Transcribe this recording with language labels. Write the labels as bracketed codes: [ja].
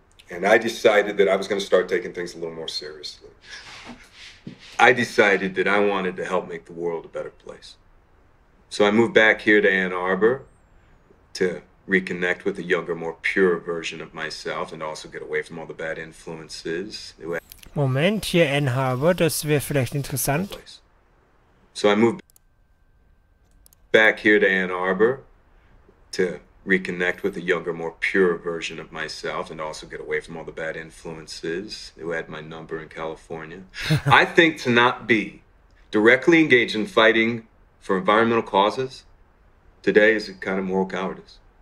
[en] And I decided that I was going to start taking things a little more seriously. I decided that I wanted to help make the world a better place. So I moved back here to Ann Arbor to reconnect with a younger, more pure version of myself and also get away from all the bad influences. [de] Moment, hier Ann Arbor, das wäre vielleicht interessant. [en] So I moved back here to Ann Arbor to reconnect with a younger, more pure version of myself and also get away from all the bad influences who had my number in California. I think to not be directly engaged in fighting for environmental causes today is a kind of moral cowardice.